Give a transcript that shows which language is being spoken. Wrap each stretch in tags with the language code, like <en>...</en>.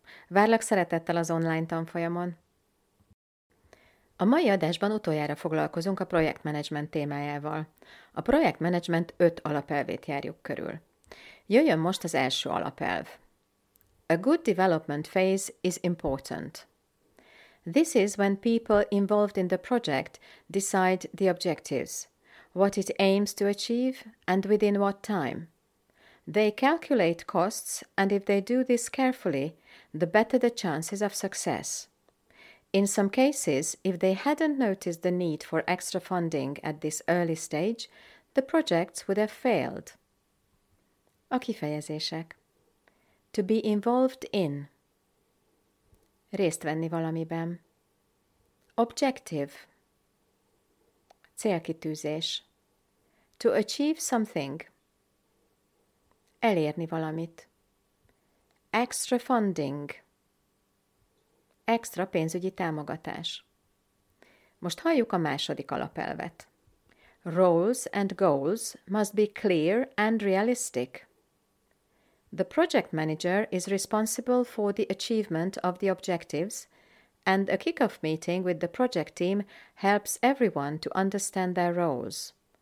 <hu>Várlak szeretettel az online tanfolyamon! A mai adásban utoljára foglalkozunk a projektmenedzsment témájával. A projektmenedzsment 5 alapelvét járjuk körül. Jöjjön most az első alapelv.</hu> <en>A good development phase is important. This is when people involved in the project decide the objectives, what it aims to achieve, and within what time. They calculate costs, and if they do this carefully, the better the chances of success. In some cases, if they hadn't noticed the need for extra funding at this early stage, the projects would have failed.</en> <hu>A kifejezések.</hu> <en>To be involved in.</en> <hu>Részt venni valamiben.</hu> <en>Objective.</en> <hu>Célkitűzés.</hu> <en>To achieve something.</en> <hu>Elérni valamit.</hu> <en>Extra funding.</en> <hu>Extra pénzügyi támogatás. Most halljuk a második alapelvet.</hu> <en>Roles and goals must be clear and realistic. The project manager is responsible for the achievement of the objectives, and a kickoff meeting with the project team helps everyone to understand their roles.</en>